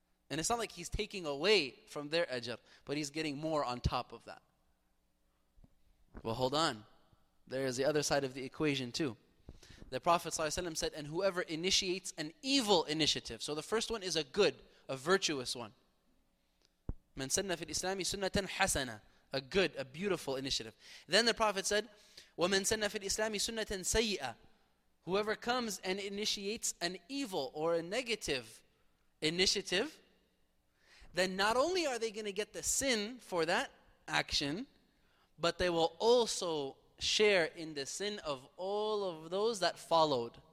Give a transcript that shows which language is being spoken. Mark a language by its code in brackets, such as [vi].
[en] And it's not like he's taking away from their ajr, but he's getting more on top of that. Well, hold on. There is the other side of the equation too. The Prophet ﷺ said, and whoever initiates an evil initiative. So the first one is a good, a virtuous one. [ar] من سنة في الإسلام سنة حسنة. [en] A good, a beautiful initiative. Then the Prophet said, [ar] وَمَنْ سَنَّ فِي الْإِسْلَامِ سُنَّةً سَيِّئَةً. [en] Whoever comes and initiates an evil or a negative initiative, then not only are they going to get the sin for that action, but they will also share in the sin of all of those that followed.